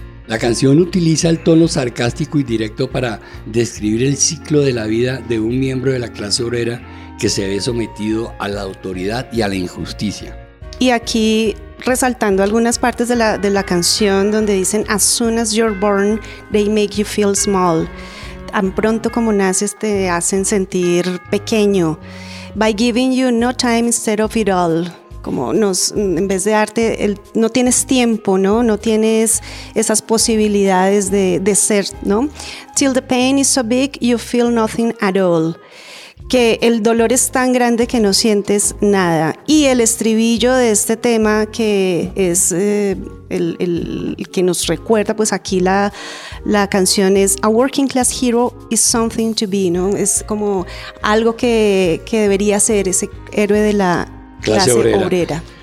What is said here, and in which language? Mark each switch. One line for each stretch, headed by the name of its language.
Spanish: La canción utiliza el tono sarcástico y directo para describir el ciclo de la vida de un miembro de la clase obrera que se ve sometido a la autoridad y a la injusticia. Y aquí, resaltando algunas partes de la canción, donde dicen,
English: as soon as you're born, they make you feel small.
Spanish: Tan pronto como naces, te hacen sentir pequeño.
English: By giving you no time instead of it all.
Spanish: Como en vez de darte, no tienes tiempo, ¿no? No tienes esas posibilidades de ser, ¿no?
English: Till the pain is so big, you feel nothing at all.
Spanish: Que el dolor es tan grande que no sientes nada. Y el estribillo de este tema, que es el que nos recuerda, pues aquí la canción es
English: A working class hero is something to be,
Spanish: ¿no? Es como algo que debería ser ese héroe de la clase obrera.